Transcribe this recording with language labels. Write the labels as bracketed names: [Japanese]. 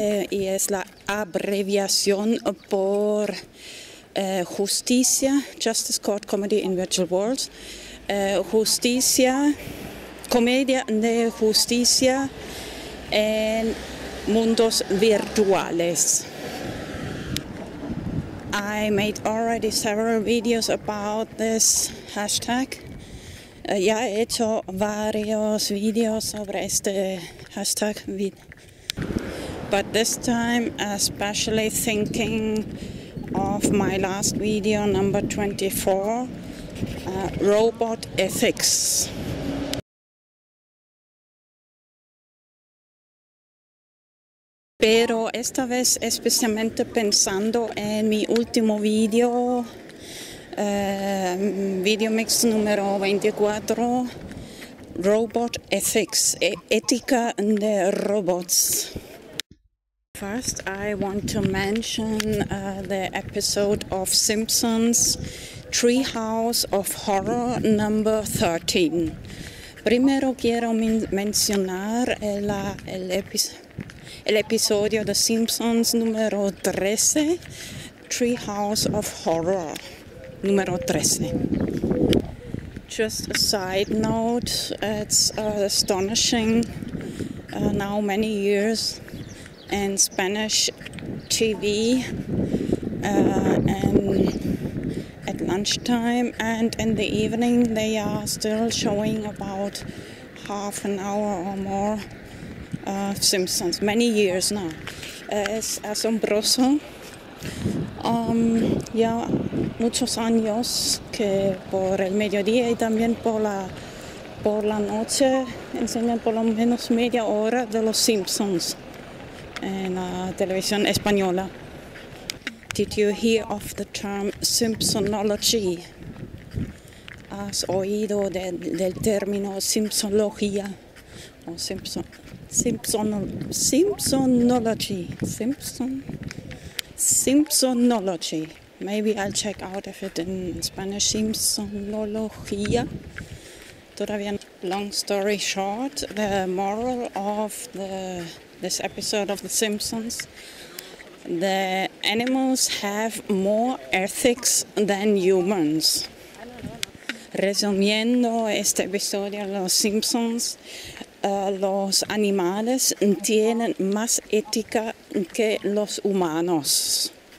[Spanish] y es la abreviación por justicia, [English] Justice Court Comedy in Virtual Worlds, [Spanish] justicia, comedia de justicia en mundos virtuales. [English] I made already several videos about this hashtag. [Spanish] Ya he hecho varios videos sobre este hashtag. [English] But this time, especially thinking of my last video, number 24, Robot Ethics. [Spanish] Pero esta vez especialmente pensando en mi último video, VideoMix número 24, Robot Ethics, ética de robots. [English] First, I want to mention the episode of Simpsons, Treehouse of Horror, number 13. [Spanish] Primero quiero mencionar el episodio de Simpsons número 13, Treehouse of Horror, número 13. [English] Just a side note, it's astonishing now many years in Spanish TV and at lunchtime and in the evening they are still showing about half an hour or more Simpsons, many years now. [Spanish] Es asombroso. Ya muchos años que por el mediodía y también por la noche enseñan por lo menos media hora de los Simpsons en la televisión española. [English] Did you hear of the term Simpsonology? [Spanish] ¿Has oído del término Simpsonología o Simpsonology. [English] Maybe I'll check out if it in Spanish. Simpsonología. Todavía. Long story short, the moral of this episode of The Simpsons: the animals have more ethics than humans. [Spanish] Resumiendo este episodio de Los Simpsons, los animales tienen más ética que los humanos.